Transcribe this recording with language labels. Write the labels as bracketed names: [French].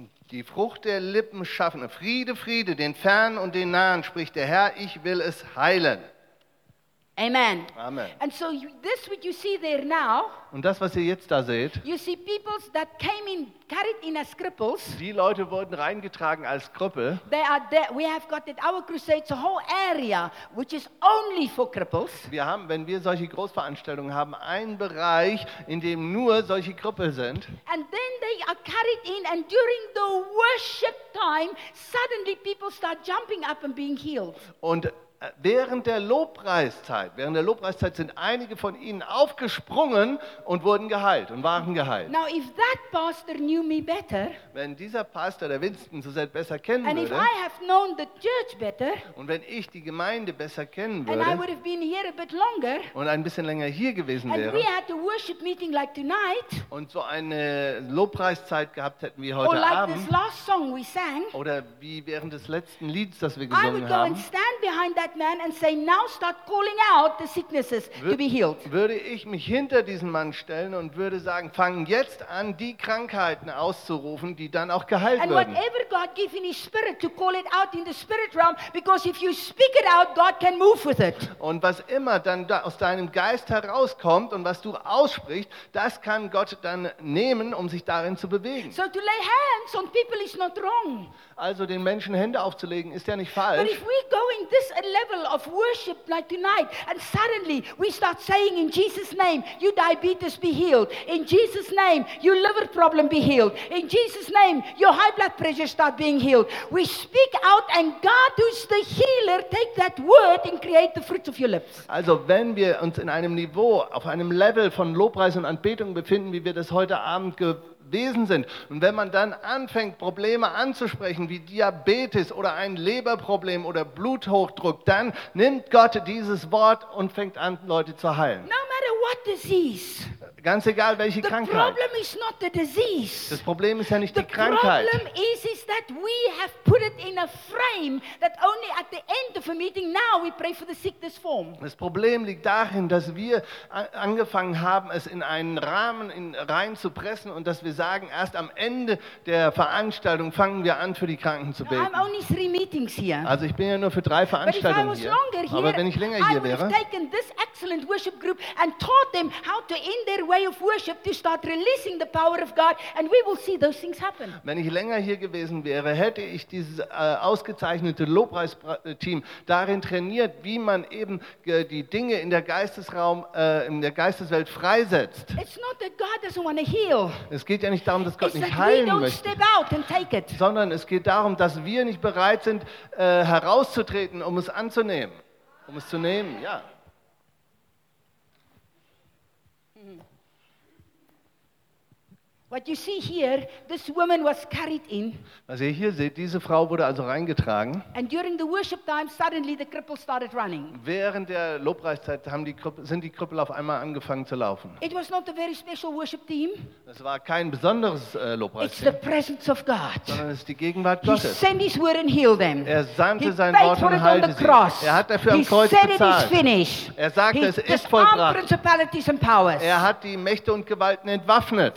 [German] Die Frucht der Lippen schaffen Friede, Friede, den Fernen und den Nahen, spricht der Herr, ich will es heilen. [English] Amen. Amen. And so this what you see there now. [German] Und das, was ihr jetzt da seht. [English] You see people that came in carried in as cripples. [German] Die Leute wurden reingetragen als Krüppel. [English] They are there. We have got that our crusades a whole area which is only for cripples. [German] Wir haben, wenn wir solche Großveranstaltungen haben, einen Bereich, in dem nur solche Krüppel sind. [English] And then they are carried in and during the worship time suddenly people start jumping up and being healed. [German] Und Während der Lobpreiszeit sind einige von ihnen aufgesprungen und wurden geheilt und waren geheilt. [English] Now if that pastor knew me better, [German] wenn dieser Pastor, der Winston, so selbst besser kennen [English] and [German] würde, [English] if I have known the church better, [German] und wenn ich die Gemeinde besser kennen würde [English] and I would have been here a bit longer, [German] und ein bisschen länger hier gewesen wäre [English] and we had a worship meeting like tonight, [German] und so eine Lobpreiszeit gehabt hätten wie heute [English] or like [German] Abend [English] this last song we sang, [German] oder wie während des letzten Lieds, das wir gesungen [English] I would go [German] haben, [English] and stand behind that man and say now start calling out the sicknesses to be healed. [German] Würde ich mich hinter diesen Mann stellen und würde sagen, fangen jetzt an, die Krankheiten auszurufen, die dann auch geheilt werden. [English] And whatever God gives in His Spirit to call it out in the spirit realm, because if you speak it out, God can move with it. [German] Und was immer dann da aus deinem Geist herauskommt und was du aussprichst, das kann Gott dann nehmen, um sich darin zu bewegen. [English] So to lay hands on people is not wrong. [German] Also den Menschen Hände aufzulegen ist ja nicht falsch. [English] But if we go in this level of worship like tonight and suddenly we start saying in Jesus' name you diabetes be healed, in Jesus' name your liver problem be healed, in Jesus' name your high blood pressure start being healed, we speak out and God who's the healer take that word and create the fruits of your lips. [German] Also wenn wir uns in einem Niveau, auf einem Level von Lobpreis und Anbetung befinden, wie wir das heute Abend gewesen sind, und wenn man dann anfängt, Probleme anzusprechen, wie Diabetes oder ein Leberproblem oder Bluthochdruck, dann nimmt Gott dieses Wort und fängt an, Leute zu heilen. [English] No matter what disease. [German] Ganz egal, welche [English] the [German] Krankheit. [English] Problem is not the disease. [German] Das Problem ist ja nicht [English] the [German] die Krankheit. [English] The problem is that we have put it in a frame that only at the end of a meeting now we pray for the sickness form. [German] Das Problem liegt darin, dass wir angefangen haben, es in einen Rahmen reinzupressen und dass wir sagen, erst am Ende der Veranstaltung fangen wir an, für die Kranken zu beten. [English] I'm only three meetings here. [German] Also ich bin ja nur für drei Veranstaltungen [English] but if I was [German] hier. [English] Longer here, [German] aber wenn ich länger [English] I [German] hier wäre, [English] I would have taken this excellent worship group and taught them how to end their way of worship to start releasing the power of God and we will see those things happen. [German] Wenn ich länger hier gewesen wäre, hätte ich dieses ausgezeichnete Lobpreisteam darin trainiert, wie man eben die Dinge in der Geistesraum in der Geisteswelt freisetzt. [English] It's not that God doesn't want to heal. [German] Es geht ja nicht darum, dass Gott [English] it's [German] nicht heilen möchte, [English] step out and take it. [German] Sondern es geht darum, dass wir nicht bereit sind herauszutreten, um es anzunehmen. Um es zu nehmen, ja. [English] What you see here, this woman was carried in. [German] Was ihr hier seht, diese Frau wurde also reingetragen. [English] And during the worship time, suddenly the cripples started running. [German] Während der Lobpreiszeit sind die Krüppel auf einmal angefangen zu laufen. [English] It was not a very special worship team. [German] Es war kein besonderes Lobpreisteam. [English] It's the presence of God. [German] Sondern es ist die Gegenwart Gottes. [English] He sent His word and healed them. [German] Er sandte [English] he [German] sein Wort und heilte sie. Er hat dafür [English] he [German] am Kreuz [English] said [German] bezahlt. [English] It is finished. [German] Er sagte, es ist vollbracht. [English] Principalities and powers. [German] Er hat die Mächte und Gewalten entwaffnet.